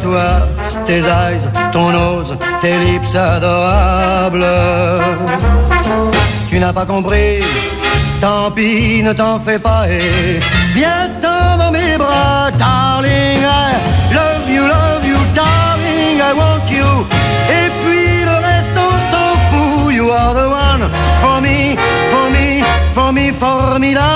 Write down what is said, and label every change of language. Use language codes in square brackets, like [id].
[fr] Toi, tes eyes, ton nose, tes lips adorables. Tu n'as pas compris, tant pis, ne t'en fais pas et viens-t'en dans mes bras. [en] Darling, I love you, darling, I want you. [fr] Et puis le reste on s'en fout. [en] You are the one for me, for me, for me, formidable.